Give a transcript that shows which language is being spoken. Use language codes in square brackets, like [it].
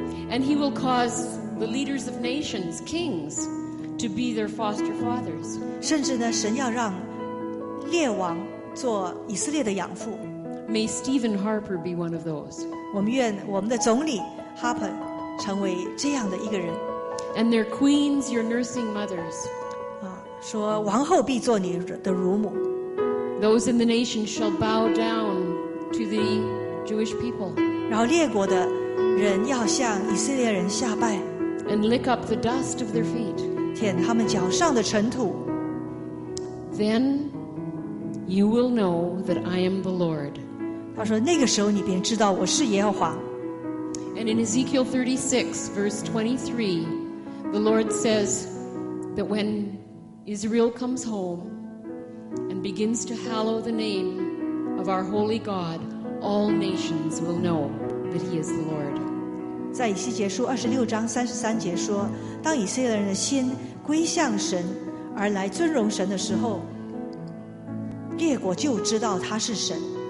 [en] And he will cause the leaders of nations, kings, to be their foster fathers. [zh] 甚至呢，神要让列王做以色列的养父。 [en] May Stephen Harper be one of those. [zh] 我们愿我们的总理 Harper 成为这样的一个人。 [en] And their queens, your nursing mothers. [zh] 说王后必做你的乳母。 [en] Those in the nation shall bow down to the Jewish people. [zh] 然后列国的人要向以色列人下拜。 [en] And lick up the dust of their feet. [zh] 舔他们脚上的尘土。 [en] Then you will know that I am the Lord. [zh] 他说那个时候你便知道我是耶和华。 [en] And in Ezekiel 36:23, the Lord says that when Israel comes home,begins to hallow the name of our holy God, all nations will know that he is the Lord. [zh] 在以西结书26:33说，当以色列人的心归向神，而来尊荣神的时候，列国就知道他是神。